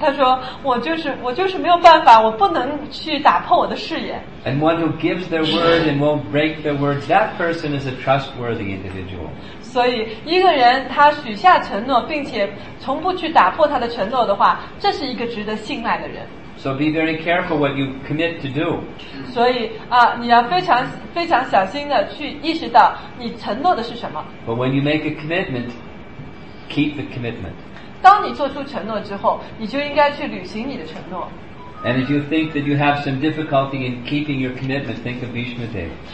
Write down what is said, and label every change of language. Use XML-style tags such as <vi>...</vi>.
<zh>他说我就是没有办法，我不能去打破我的誓言。</zh> <en>And one who gives their word and won't break their word, that person is a trustworthy individual.</en> <zh>所以一个人他许下承诺，并且从不去打破他的承诺的话，这是一个值得信赖的人。</zh> <en>So be very careful what you commit to do.</en> <zh>所以啊，你要非常非常小心的去意识到你承诺的是什么。</zh> <en>But when you make a commitment, keep the commitment.</en> <zh>当你做出承诺之后，你就应该去履行你的承诺。</zh> <en>And if you think that you have some difficulty in keeping your commitment, think of Bhishma Dev.</en>